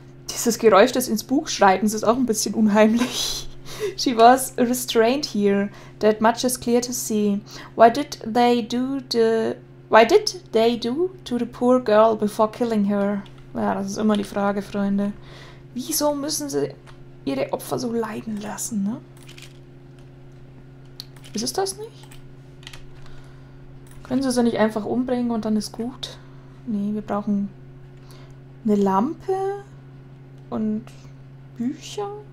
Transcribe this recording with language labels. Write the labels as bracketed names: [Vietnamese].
[German] Dieses Geräusch des ins Buch Schreitens ist auch ein bisschen unheimlich. [English] She was restrained here. That much is clear to see. What did they do to the poor girl before killing her? [German] Ja, das ist immer die Frage, Freunde. Wieso müssen sie ihre Opfer so leiden lassen, ne? Ist es das nicht? Können sie nicht einfach umbringen und dann ist gut? Nee, wir brauchen eine Lampe und Bücher.